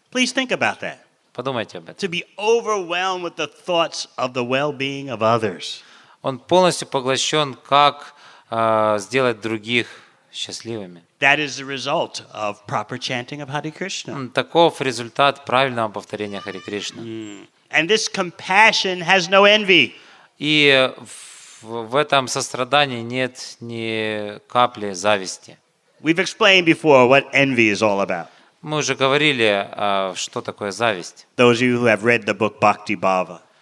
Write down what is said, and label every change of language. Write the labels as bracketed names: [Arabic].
[English] Please think about that. [Russian] Подумайте об этом. [English] To be overwhelmed with the thoughts of the well-being of others. [Russian] Он полностью поглощен, как сделать других счастливыми. [English] That is the result of proper chanting of Hare Krishna. [Russian] Таков результат правильного повторения Харе Кришна. [English] And this compassion has no envy. [Russian] И в этом сострадании нет ни капли зависти. [English] We've explained before what envy is all about. [Russian] Мы уже говорили, что такое зависть. [English] Those of you who have read the book Bhakti Bhava.